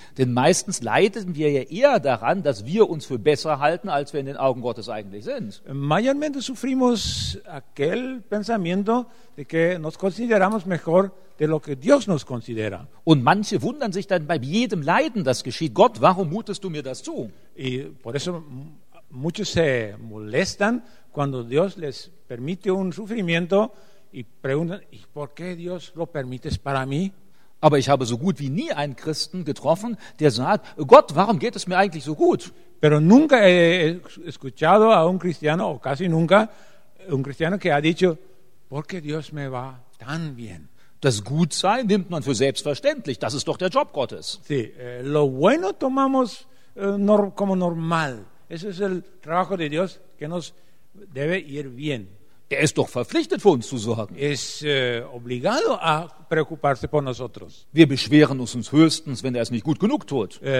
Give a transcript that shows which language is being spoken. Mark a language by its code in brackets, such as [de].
[de] Denn meistens leiden wir ja eher daran, dass wir uns für besser halten, als wir in den Augen Gottes eigentlich sind. [es] Mayormente sufrimos aquel pensamiento de que nos consideramos mejor de lo que Dios nos considera. [de] Und manche wundern sich dann bei jedem Leiden, das geschieht. Gott, warum mutest du mir das zu? [es] Y por eso muchos se molestan cuando Dios les permite un sufrimiento y preguntan, ¿y por qué Dios lo permites para mí? [de] Aber ich habe so gut wie nie einen Christen getroffen, der sagt, Gott, warum geht es mir eigentlich so gut? [es] Pero nunca he escuchado a un cristiano, o casi nunca, un cristiano que ha dicho, porque Dios me va tan bien. [de] Das Gutsein nimmt man für selbstverständlich, das ist doch der Job Gottes. [es] Sí, lo bueno tomamos como normal. Ese es el trabajo de Dios que nos debe ir bien. [de] Der ist doch verpflichtet, für uns zu sorgen. [es] Es obligado a preocuparse por nosotros. [de] Wir beschweren uns höchstens, wenn er es nicht gut genug tut.